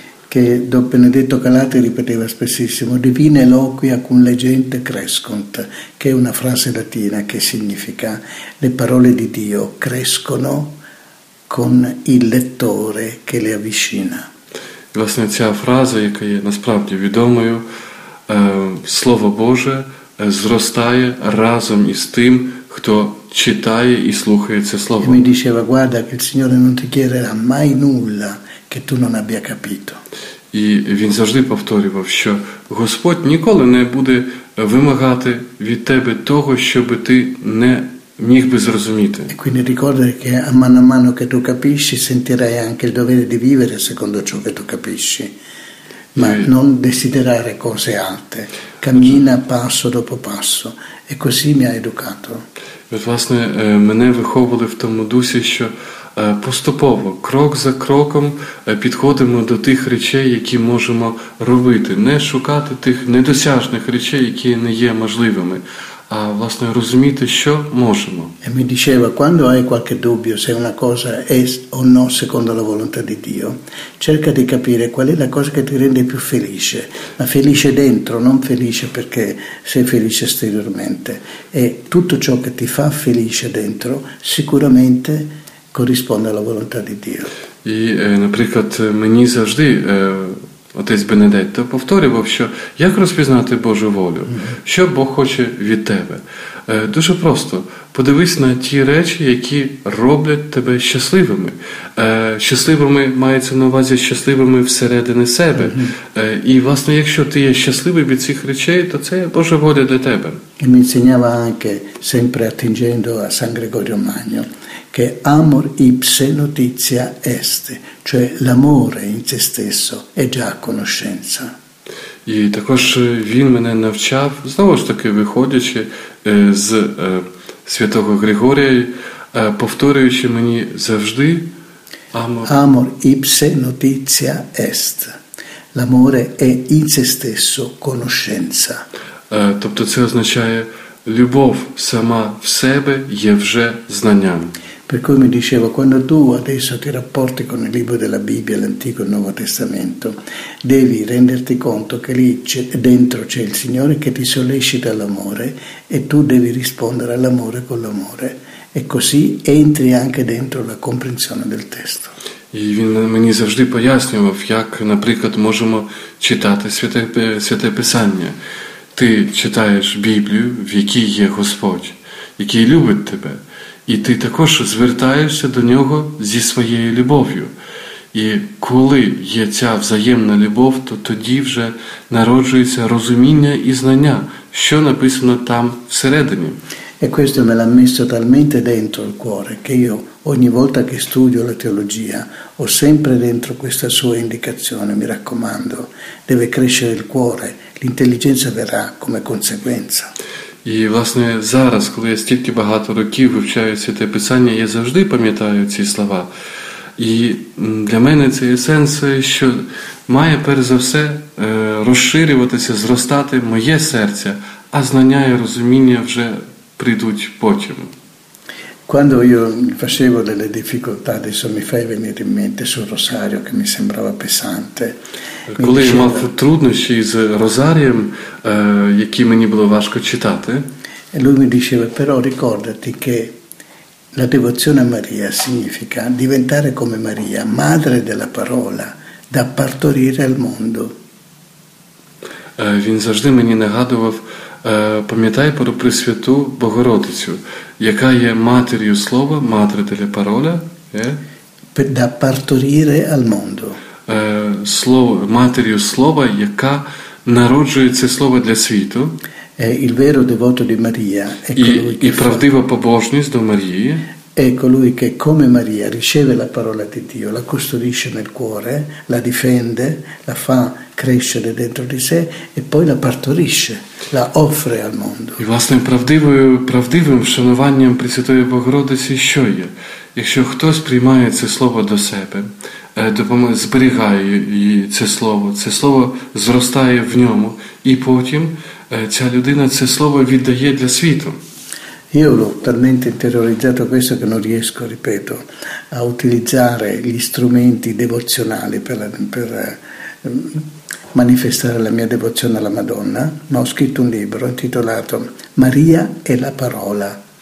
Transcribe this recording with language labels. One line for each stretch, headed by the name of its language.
Italian: che Don Benedetto Calate ripeteva spessissimo,
Latin: divine loquia cum legente crescunt,
Italian: che è una frase latina che significa le parole di Dio crescono con il lettore che le avvicina.
Ukrainian: Власне, ця фраза, яка є насправді відомою, Слово Боже зростає разом із тим, хто читає і слухає це Слово.
Italian: E mi diceva, guarda, che il Signore non ti chiederà mai nulla che tu non abbia capito.
Ukrainian: І він завжди повторював, що Господь ніколи не буде вимагати від тебе того, щоб ти не міг би зрозуміти.
Italian: E quindi ricordare che a mano che tu capisci sentirai anche il dovere di vivere secondo ciò che tu capisci, ma non desiderare cose alte, cammina passo dopo passo, e così mi ha educato.
Ukrainian: Власне, мене виховували в тому дусі, що поступово, крок за кроком підходимо до тих речей, які можемо робити, не шукати тих недосяжних речей, які не є можливими, а, власне, розуміти, що можемо.
Italian: E mi diceva, quando hai qualche dubbio se una cosa è o no secondo la volontà di Dio, cerca di capire qual è la cosa che ti rende più felice, ma felice dentro, non felice perché sei felice esteriormente. E tutto ciò che ti fa felice dentro sicuramente corrisponde alla volontà di Dio.
Ukrainian: І, наприклад, мені завжди отець Бенедетто повторював, що як розпізнати Божу волю? Що Бог хоче від тебе? Дуже просто. Подивись на ті речі, які роблять тебе щасливими. Щасливими мається на увазі щасливими всередини себе. І, власне, якщо ти є щасливий від цих речей, то це Божа воля для тебе.
Italian: E mi insegnava anche, sempre attingendo a San Gregorio Magno, che
Latin: amor ipse notizia est,
Italian: cioè l'amore in se stesso è già conoscenza.
Ukrainian: І також він мене навчав, знову ж таки, виходячи з святого Григорія, повторюючи мені завжди
Latin: amor. Amor ipse notizia est.
Italian: L'amore è in se stesso conoscenza.
Ukrainian: Тобто це означає, любов сама в себе є вже знанням.
Italian: Per cui mi dicevo, quando tu adesso ti rapporti con il libro della Bibbia, l'Antico e il Nuovo Testamento, devi renderti conto che lì dentro c'è il Signore che ti sollecita l'amore e tu devi rispondere all'amore con l'amore. E così entri anche dentro la comprensione del testo.
Ukrainian: І він мені завжди пояснював, як, наприклад, можемо читати Святе Писання. Ти читаєш Біблію, в якій є Господь, який любить тебе. І ти також звертаєшся до нього зі своєю любов'ю. І коли є ця взаємна любов, то тоді вже народжується розуміння і знання, що написано там всередині.
Italian: E questo me l'ha messo talmente dentro il cuore che io ogni volta che studio la teologia ho sempre dentro questa sua indicazione, mi raccomando, deve crescere il cuore, l'intelligenza verrà come conseguenza.
Ukrainian: І, власне, зараз, коли я стільки багато років вивчаю Святе Писання, я завжди пам'ятаю ці слова. І для мене це є сенс, що має, перш за все, розширюватися, зростати моє серце, а знання і розуміння вже прийдуть потім.
Italian: Quando io facevo delle difficoltà, adesso mi fai venire in mente sul rosario che mi sembrava pesante.
Ukrainian: Коли я мав труднощі з розарієм, які мені було важко читати.
Italian: E lui mi diceva, però ricordati che la devozione a Maria significa diventare come Maria, madre della parola, da partorire al mondo.
Ukrainian: Він завжди мені нагадував, пам'ятай про Пресвяту Богородицю, яка є матір'ю слова, матір'ю
Italian: della parola, da partorire al mondo.
Ukrainian: Слово, матір'ю слова, яка народжує це слово для світу.
Italian: Il vero devoto di Maria è colui
Ukrainian: і правдива побожність до Марії.
Italian: È colui che come Maria riceve la parola di Dio, la custodisce nel cuore, la difende, la fa crescere dentro di sé e poi la partorisce, la offre al mondo.
Ukrainian: І власне правдивим вшануванням Пресвятої Богородиці що є? Якщо хтось приймає це слово до себе, зберігає це слово зростає в ньому, і потім ця людина це слово віддає для світу.
Italian: Io l'ho talmente interiorizzato questo che non riesco, ripeto, a utilizzare gli strumenti devozionali per manifestare la mia devozione alla Madonna, ma ho scritto un libro intitolato Maria e la parola.